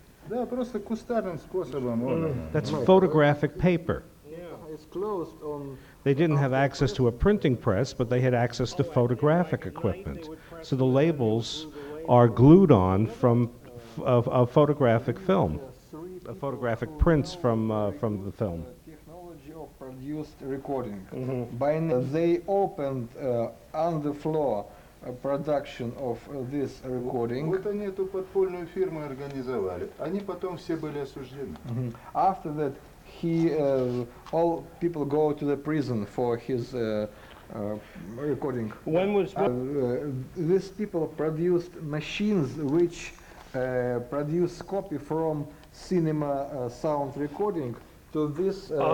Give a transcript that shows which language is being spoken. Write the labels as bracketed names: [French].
[Russian] Да, просто кустарным способом. [English] That's photographic paper. Yeah, it's closed on. They didn't have access to a printing press, but they had access to photographic equipment. So the labels are glued on from a photographic film. photographic prints from the film. Technology of produced recording. Mm-hmm. By they opened on the floor a production of this recording. [Russian] Вот они эту подпольную фирму организовали. Они потом все были осуждены. [English] After that, he all people go to the prison for his recording. When was these people produced machines which produce copy from cinema sound recording to this?